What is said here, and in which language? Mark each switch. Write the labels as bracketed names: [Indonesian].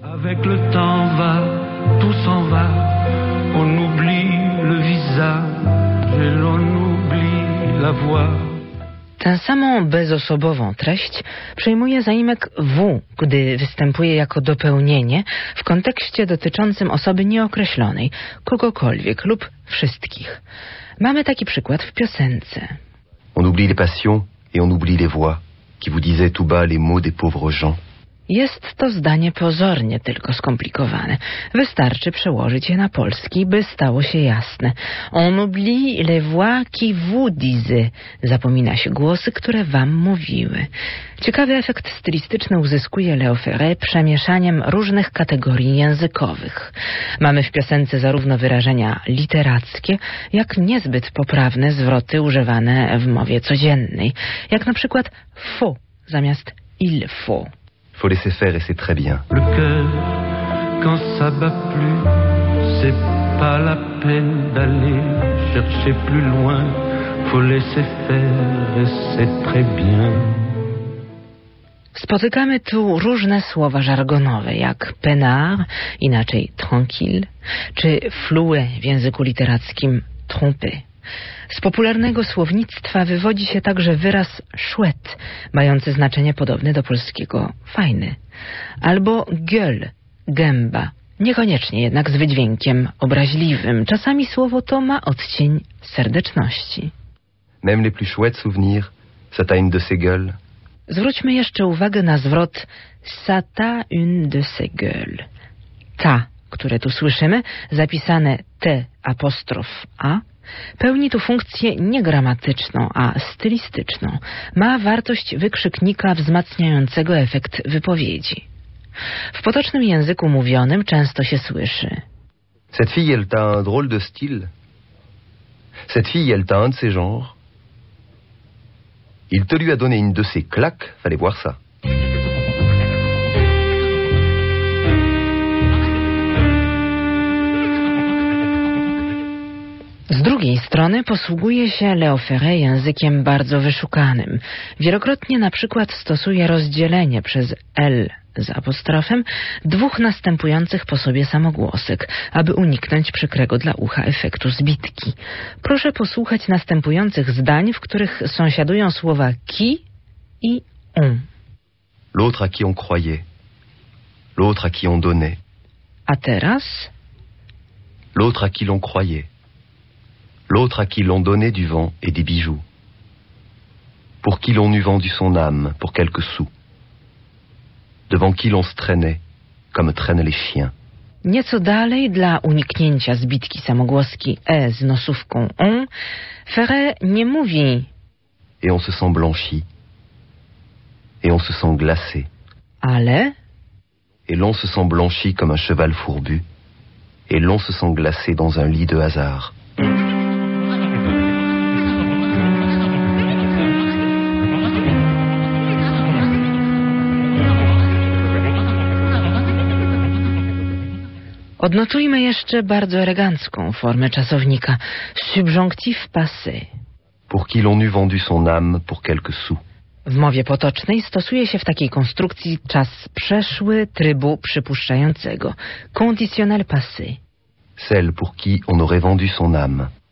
[French] Avec le temps va, tout s'en va, on oublie le visage. [Polish] Tę samą bezosobową treść przyjmuje zaimek W, gdy występuje jako dopełnienie w kontekście dotyczącym osoby nieokreślonej, kogokolwiek lub wszystkich. Mamy taki przykład w piosence. [French] On oublie les passions et on oublie les voix qui vous disaient tout bas les mots des pauvres gens. [Polish] Jest to zdanie pozornie tylko skomplikowane. Wystarczy przełożyć je na polski, by stało się jasne. [French] On oublie les voix qui vous disaient. [Polish] Zapomina się głosy, które wam mówiły. Ciekawy efekt stylistyczny uzyskuje Léo Ferré przemieszaniem różnych kategorii językowych. Mamy w piosence zarówno wyrażenia literackie, jak niezbyt poprawne zwroty używane w mowie codziennej. Jak na przykład fou zamiast il faut. [French] Faut laisser faire et c'est très bien. Le cœur, quand ça bat plus, c'est pas la peine d'aller chercher plus loin. Faut laisser faire et c'est très bien. [Polish] Spotykamy tu różne słowa żargonowe, jak peinard, inaczej tranquille, czy floué w języku literackim trompé. Z popularnego słownictwa wywodzi się także wyraz chouette, mający znaczenie podobne do polskiego fajny. Albo gueule, gęba, niekoniecznie jednak z wydźwiękiem obraźliwym. Czasami słowo to ma odcień serdeczności. [French] Même les plus chouettes souvenirs, ça t'a une de ses gueules. [Polish] Zwróćmy jeszcze uwagę na zwrot [French] ça t'a une de ses gueules. [Polish] Ta, które tu słyszymy, zapisane t apostrof a, pełni tu funkcję nie gramatyczną, a stylistyczną. Ma wartość wykrzyknika wzmacniającego efekt wypowiedzi. W potocznym języku mówionym często się słyszy: [French] cette fille, elle t'a un drôle de style. Cette fille, elle t'a un de ses genres. Il te lui a donné une de ses claques, fallait voir ça. [Polish] Z drugiej strony posługuje się Léo Ferré językiem bardzo wyszukanym. Wielokrotnie na przykład stosuje rozdzielenie przez L z apostrofem dwóch następujących po sobie samogłosek, aby uniknąć przykrego dla ucha efektu zbitki. Proszę posłuchać następujących zdań, w których sąsiadują słowa qui i on. [French] L'autre à qui on croyait. L'autre à qui on donnait. [Polish] A teraz? [French] L'autre à qui l'on croyait. L'autre à qui l'on donnait du vent et des bijoux. Pour qui l'on eût vendu son âme pour quelques sous. Devant qui l'on se traînait, comme traînent les chiens. [Polish] Nieco dalej, dla uniknięcia zbitki samogłoski E z nosówką on, Ferré nie mówi. [French] Et on se sent blanchi. Et on se sent glacé. [Polish] Ale? [French] Et l'on se sent blanchi comme un cheval fourbu. Et l'on se sent glacé dans un lit de hasard. [Polish] Odnotujmy jeszcze bardzo elegancką formę czasownika. [French] Subjonctif passé. Pour qui l'on eût vendu son âme pour quelques sous. [Polish] W mowie potocznej stosuje się w takiej konstrukcji czas przeszły trybu przypuszczającego. [French] Conditionnel passé. Celle pour qui on aurait vendu son âme.